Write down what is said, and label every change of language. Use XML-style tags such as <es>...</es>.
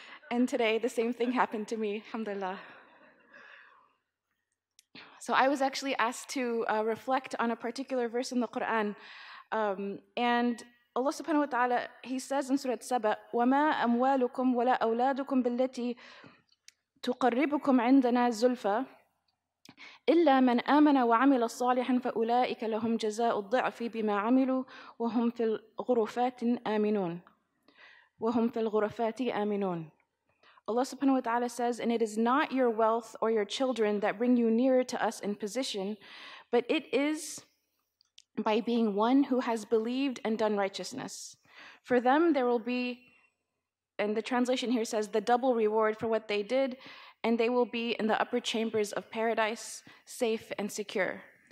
<en>And today, the same thing happened to me, alhamdulillah. So I was actually asked to reflect on a particular verse in the Quran. And Allah subhanahu wa ta'ala, he says in Surah Saba,</en> <ar>وَمَا أَمْوَالُكُمْ وَلَا أَوْلَادُكُمْ بِالَّتِي تقربكم عندنا زلفى إلا من آمن وعمل صالحا فأولئك لهم جزاء الضعف بما عملوا وهم في الغرفات آمنون وهم في الغرفات آمنون.</ar> <en>Allah subhanahu wa ta'ala says, and it is not your wealth or your children that bring you nearer to us in position, but it is by being one who has believed and done righteousness. For them there will be, and the translation here says, the double reward for what they did, and they will be in the upper chambers of paradise, safe and secure.</en>